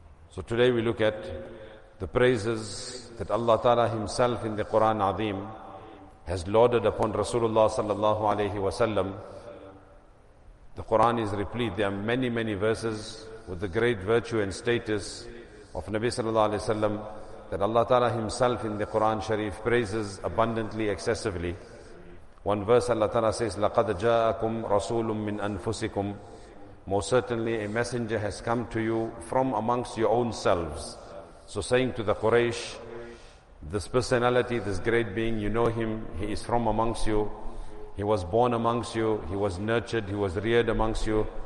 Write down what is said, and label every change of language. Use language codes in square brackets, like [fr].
[en] So today we look at the praises that Allah Ta'ala himself in the Quran Azim has lauded upon Rasulullah Sallallahu Alaihi Wasallam. The Quran is replete. There are many, many verses with the great virtue and status of Nabi Sallallahu Alaihi Wasallam that Allah Ta'ala himself in the Quran Sharif praises abundantly, excessively. One verse Allah Ta'ala says, [ar] لَقَدْ جَاءَكُمْ رَسُولٌ مِّنْ أَنفُسِكُمْ. [en] Most certainly a messenger has come to you from amongst your own selves. So saying to the Quraysh, this personality, this great being, you know him, he is from amongst you. He was born amongst you, he was nurtured, he was reared amongst you.